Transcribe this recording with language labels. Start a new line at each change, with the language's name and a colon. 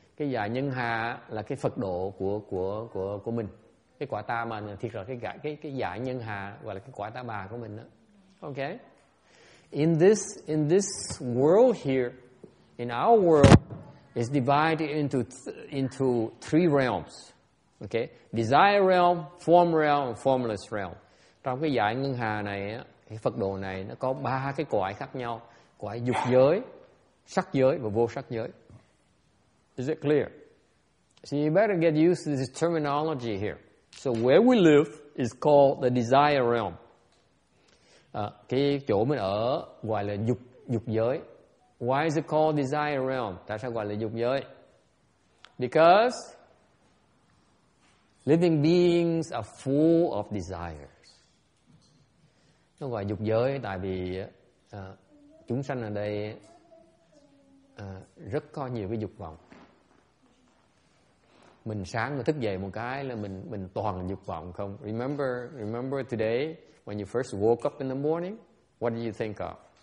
Vietnamese: Cái dải ngân hà là cái Phật độ của mình. Cái quả ta mà thiệt là cái giải nhân hà gọi là cái quả ta bà của mình đó.
English: Okay. In this world here, in our world, is divided into three realms. Okay. Desire realm, form realm, and formless realm.
Vietnamese: Trong cái giải ngân hà này, cái Phật độ này nó có ba cái cõi khác nhau. Cõi dục giới, sắc giới và vô sắc giới.
English: Is it clear? So you better get used to this terminology here. So where we live is called the desire realm.
Vietnamese: Cái chỗ mình ở gọi là dục giới.
English: Why is it called desire realm?
Vietnamese: Tại sao gọi là dục giới?
English: Because living beings are full of desires.
Vietnamese: Nó gọi dục giới tại vì chúng sanh ở đây rất có nhiều cái dục vọng. Mình sáng mình thức dậy một cái là mình toàn là dục vọng không?
English: Remember today when you first woke up in the morning, what did you think of?